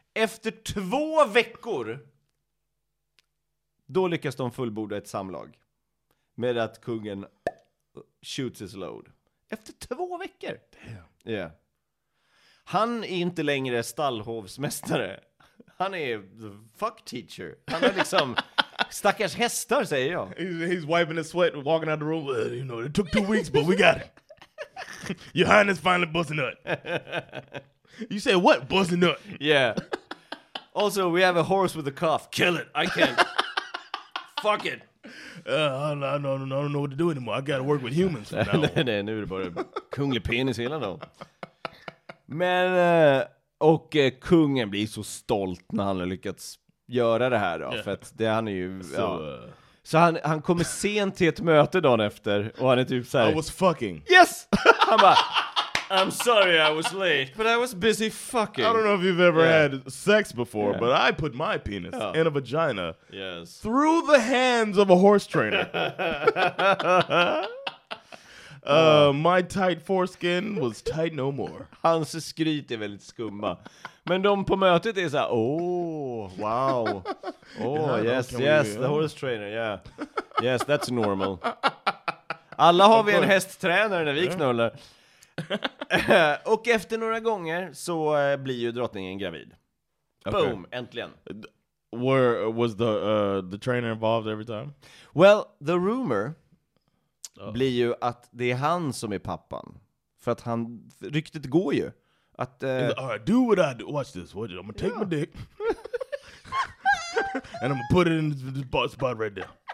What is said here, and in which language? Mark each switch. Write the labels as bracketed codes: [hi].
[sv] Efter 2 veckor, då lyckas de fullborda ett samlag med att kungen [en] shoots his load. [sv] Efter 2 veckor. [en] Damn. Yeah. [sv] Han är inte längre stallhovsmästare. Han är [en] the fuck teacher. [sv] Han är liksom... Stackars hästar, säger jag. [en] He's wiping his sweat, walking out the room. Well, you know, it took 2 weeks, but we got it. Your highness finally busting nut. You say what? Busting nut. Yeah. Also, we have a horse with a cough. Kill it. I can't. Fuck it. I don't know what to do anymore. I got to work with humans from now on. [sv] Nej, nu är det bara kunglig penis hela dagen. Men, och kungen blir så stolt när han har lyckats... göra det här då, yeah. För att det han är ju so, ja. Så han kommer sent till ett möte dagen efter och han är typ såhär, [en] I was fucking. Yes! Han bara, I'm sorry I was late, but I was busy fucking. I don't know if you've ever had sex before, but I put my penis in a vagina through the hands of a horse trainer. My tight foreskin was tight no more. [sv] Hans skryt är väldigt skumma. Men de på mötet är så här, [en] oh, wow. Oh, yes, yes, the horse trainer, yeah. Yes, that's normal. [sv] Alla har vi en hästtränare när vi knullar. Och efter några gånger så blir ju drottningen gravid. Boom, äntligen. [en] Where was the trainer involved every time? Well, the rumor [sv] blir ju att det är han som är pappan. För att han, ryktet går ju. Att, [en] all right, do what I do. Watch this. I'm gonna take my dick and I'm gonna put it in this spot right there.